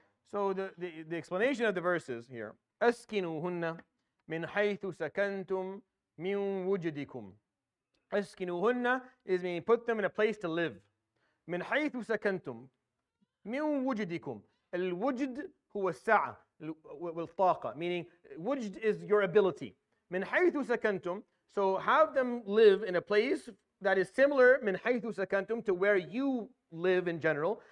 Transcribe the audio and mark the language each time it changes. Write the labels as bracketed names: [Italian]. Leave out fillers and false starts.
[English] So the explanation of the verses here. [Arabic] أسكنوهن من حيث سكنتم من وجدكم. [English] أسكنوهن is mean put them in a place to live. [Arabic] من حيث سكنتم من وجدكم. الوجد هو السعة والطاقة, [English] meaning wujd is your ability. [Arabic] من حيث سكنتم, [English] so have them live in a place that is similar من حيث سكنتم to where you live in general.